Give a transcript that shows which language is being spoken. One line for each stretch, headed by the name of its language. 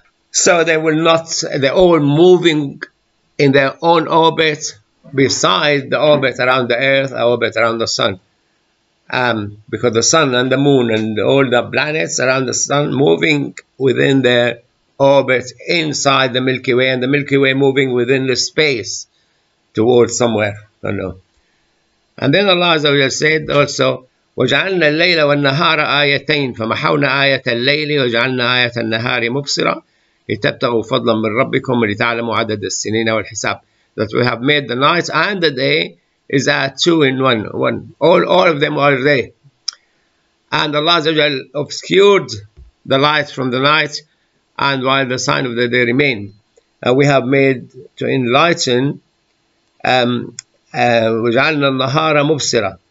English: So they will not... They're all moving in their own orbit beside the orbit around the earth, the orbit around the sun. because the sun and the moon and all the planets around the sun moving within their orbits inside the Milky Way, and the Milky Way moving within the space towards somewhere, I don't know. And then Allah Azza wa Jalla said also,
Arabic: وَجَعَلْنَا اللَّيْلَ وَالنَّهَارَ آيَتَيْنِ فَمَحَوْنَا آيَةَ اللَّيْلِ وَجَعَلْنَا آيَةَ النَّهَارِ مُبْصِرًا لِتَبْتَغُوا فَضْلًا مِنْ رَبِّكُمْ لِتَعْلَمُوا عَدَدَ السِّنِينَ وَالْحِسَابِ.
English: That we have made the night and the day is a two in one. All of them are day. And Allah Azza wa Jalla obscured the light from the night, and while the sign of the day remained. We have made to enlighten,
Arabic: وَجَعَلْنَا النَّهَارَ مُبْصِرًا.